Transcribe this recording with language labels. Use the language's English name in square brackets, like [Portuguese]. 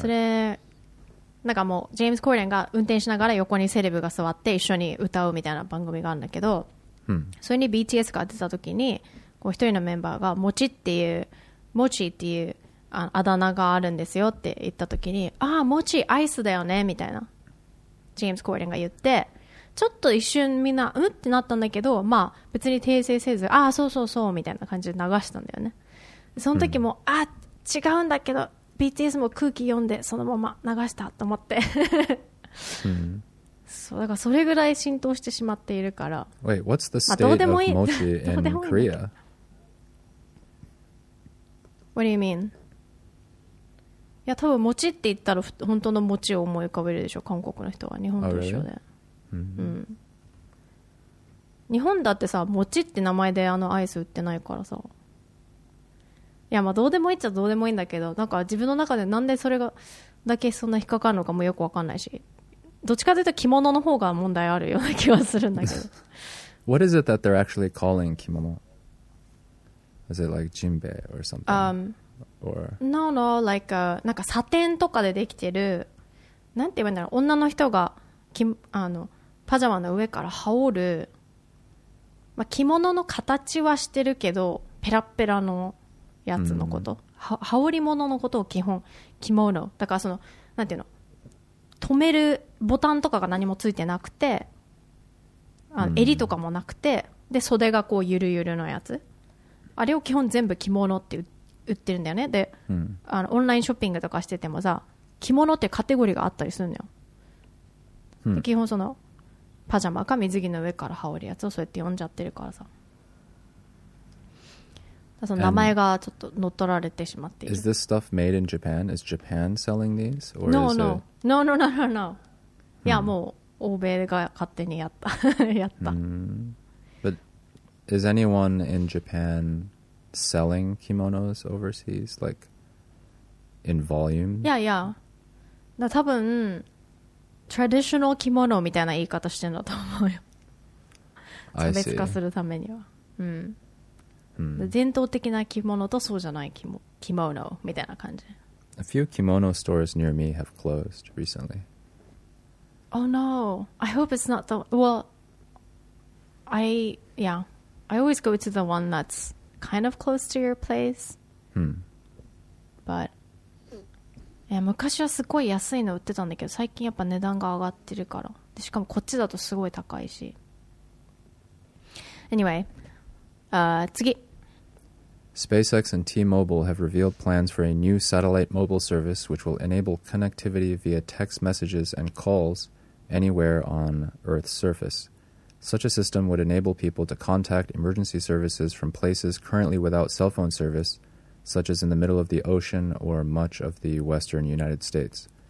[Japanese] それ、なんかもうジェームス・コーデンが運転しながら横にセレブが座って一緒に歌うみたいな番組があるんだけど、それに BTS が出た時に、こう一人のメンバーがモチっていう、モチっていうあだ名があるんですよって言った時に、ああ、モチアイスだよねみたいな、ジェームス・コーデンが言って、ちょっと一瞬みんなうんってなったんだけど、まあ別に訂正せず、ああそうそうそうみたいな感じで流したんだよね。その時もあ、違うんだけどBTS も空気読んでそのまま流したと思って、うん、そう、だからそれぐらい浸透してしまっているから。 [English] Wait, what's the state of mochi in Korea? What do you mean? [Japanese] いや、多分餅って言ったら本当の餅を思い浮かべるでしょ、韓国の人は。日本と一緒で、 [English] oh, really? [Japanese] うん、日本だってさ、餅って名前であのアイス売ってないからさ。いや、まあどうでもいいっちゃどうでもいいんだけど、なんか自分の中でなんでそれがだけそんな引っかかるのかもよくわかんないし、どっちかというと着物の方が問題あるような気はするんだけど。 [English] What is it that they're actually calling 着物? Is it like jinbei or something? Or... No, no, like, [Japanese] なんかサテンとかでできてる、なんて言えばいいんだろう、女の人がき、あの、パジャマの上から羽織る、まあ、着物の形はしてるけど、ペラッペラの、やつのこと、羽織物のことを基本着物だから、そのなんていうの、止めるボタンとかが何もついてなくて、あの、襟とかもなくて、で袖がこうゆるゆるのやつ、あれを基本全部着物って売ってるんだよね。で、あのオンラインショッピングとかしててもさ、着物ってカテゴリーがあったりするんだよ。で基本そのパジャマか水着の上から羽織るやつをそうやって呼んじゃってるからさ、その名前がちょっと乗っ取られてしまっている。 [English] Is this stuff made in Japan? Is Japan selling these? Or no, is no. It... no, no, no, no, no, no. [Japanese] いや、もう欧米が勝手にやった。やった。 [English] But is anyone in Japan selling kimonos overseas? Like, in volume? [Japanese] いやいや。だ多分、 [English] traditional kimono [Japanese] みたいな言い方してるんだと思うよ。差別化するためには。うん。伝統的な着物とそうじゃない着物みたいな感じ。 [English] A few kimono stores near me have closed recently. Oh no! I hope it's not the well. I yeah. I always go to the one that's kind of close to your place. But yeah, [Japanese] 昔はすごい安いの売ってたんだけど、最近やっぱ値段が上がってるから。でしかもこっちだとすごい高いし。 [English] Anyway, [Japanese] 次。 [English] SpaceX and T-Mobile have revealed plans for a new satellite mobile service which will enable connectivity via text messages and calls anywhere on Earth's surface. Such a system would enable people to contact emergency services from places currently without cell phone service, such as in the middle of the ocean or much of the western United States.